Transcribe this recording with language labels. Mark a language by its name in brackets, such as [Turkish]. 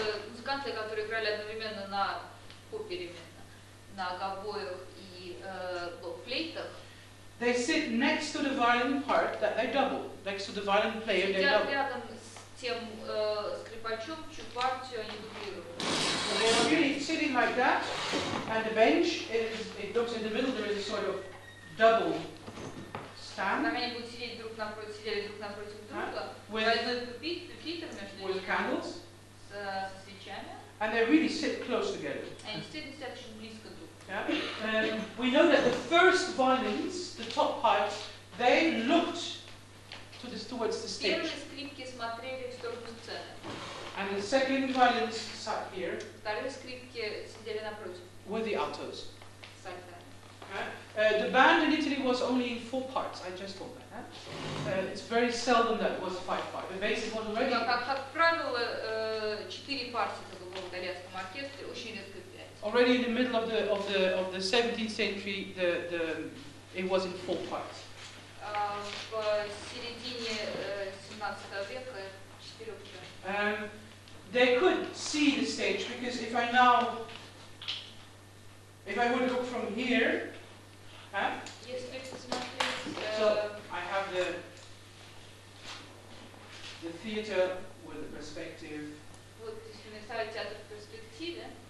[Russian] Музыканты, которые играли одновременно на попеременно, на гобоях и флейтах, [English] they sit next to the violin part that they double, next to the violin player they double. [Russian] Сидят рядом с тем скрипачом, чью партию они дублируют. [English] They are really sitting like that, and the bench is, it looks in the middle, there is a sort of double stand. [Russian] Они будут сидеть друг напротив, сидели друг напротив друга. [English] With candles. [Russian] Со свечами. [English] And they really sit close together. [Russian] Они действительно сидят очень близко друг. [English] We know that the first violins, the top pipes, they looked towards the stage. [Russian] Первые скрипки смотрели в сторону сцены. [English] And the second violins sat here. [Russian] Вторые скрипки сидели напротив. [English] With the altos. [Russian] С альтами. [English] The band in Italy was only four parts. I just told that. It's very seldom that it was five parts. The bass was already. [Russian] Как правило, четыре партии было в итальянском оркестре, очень редко пять. [English] Already in the middle of the 17th century, the it was in four parts. [Russian] В середине 17 века четыре партии. [English] They could see the stage because if I would look from here, yes, so I have the theater with the perspective. [Russian] Вот если мы ставим театр в перспективе.